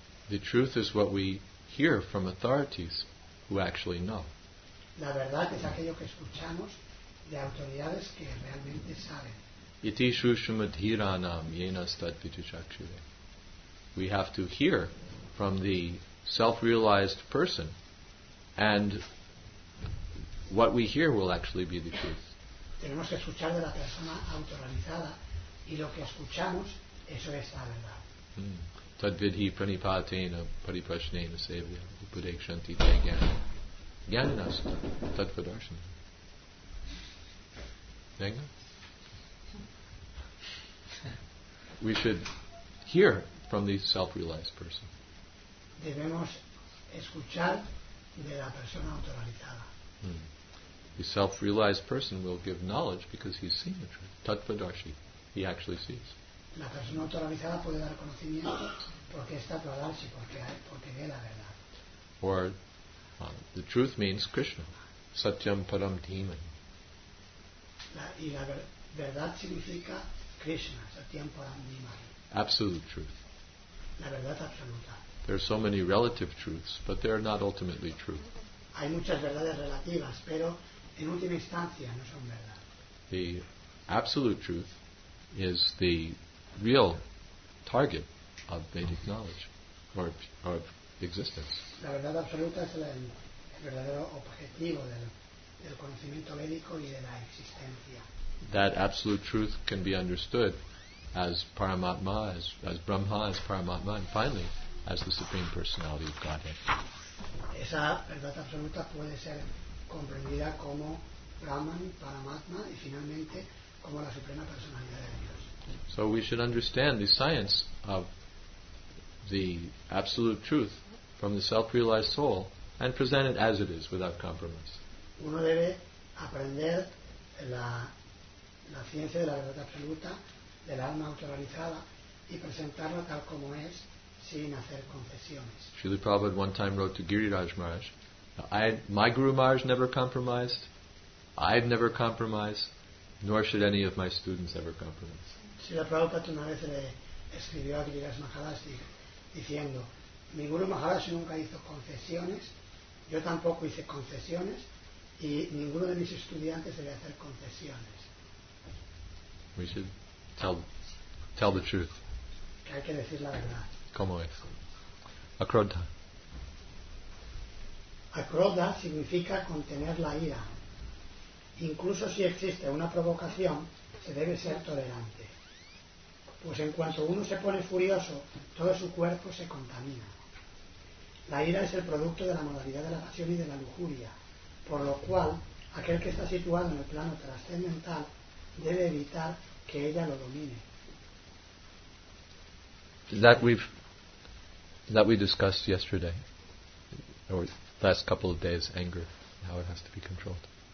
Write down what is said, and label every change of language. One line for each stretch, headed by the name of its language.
English: The truth is what we hear from authorities who actually know.
Spanish: La verdad es aquello que escuchamos de autoridades que realmente saben.
Sanskrit: Iti shushumad hiranam yena stat pitichakshire.
English: We have to hear from the self-realized person, and what we hear will actually be the truth.
Spanish: Tenemos que escuchar de la persona autorrealizada, y lo que escuchamos, eso es la verdad.
Sanskrit: Tadvidhi pranipatena pariprashnena sevya upadekshanti te gyan. Gyananasta tatvadarshanam.
Spanish: Venga.
English: We should hear from the self-realized person.
Spanish: Debemos escuchar de la persona autorrealizada.
English: The self-realized person will give knowledge because he's seen the truth. Tattvadarshi, he actually sees.
Spanish: La persona autorizada puede dar conocimiento porque está tatvadarshi, porque ve la verdad.
English: Or the truth means Krishna.
Sanskrit: Satyam param dhiman.
Spanish: Y la verdad significa Krishna.
Sanskrit: Satyam param dhiman.
English: Absolute truth.
Spanish: La verdad absoluta.
English: There are so many relative truths, but they are not ultimately true.
Spanish: Hay muchas verdades relativas, pero en última instancia no son verdad.
English: The absolute truth is the real target of Vedic knowledge or of existence.
Spanish: La verdad absoluta es el verdadero objetivo del conocimiento védico y de la existencia.
English: That absolute truth can be understood as Paramatma, as Brahma, as Paramatma, and finally as the Supreme Personality of Godhead.
Spanish: Esa verdad absoluta puede ser comprendida como Brahman, Paramatma, y finalmente como la Suprema Personalidad de Dios.
English: So we should understand the science of the absolute truth from the self-realized soul and present it as it is, without compromise.
Spanish: Uno debe aprender la ciencia de la verdad absoluta del alma autorrealizada y presentarla tal como es, sin hacer concesiones.
English: Srila Prabhupada one time wrote to Giriraj Maharaj, my Guru Maharaj never compromised, I've never compromised, nor should any of my students ever compromise.
Spanish: Srila Prabhupada una vez le escribió a Giriraj Maharaj diciendo, mi Guru Maharaj nunca hizo concesiones, yo tampoco hice concesiones, y ninguno de mis estudiantes debe hacer concesiones.
English: We should tell the truth.
Spanish: Que hay que decir la verdad. ¿Cómo es? Akrodha. Akrodha significa contener la ira. Incluso si existe una provocación, se debe ser tolerante. Pues en cuanto uno se pone furioso, todo su cuerpo se contamina. La ira es el producto de la modalidad de la pasión y de la lujuria, por lo cual aquel que está situado en el plano trascendental debe evitar que ella lo domine.
English: That we discussed yesterday, or last couple of days, anger, how it has to be controlled.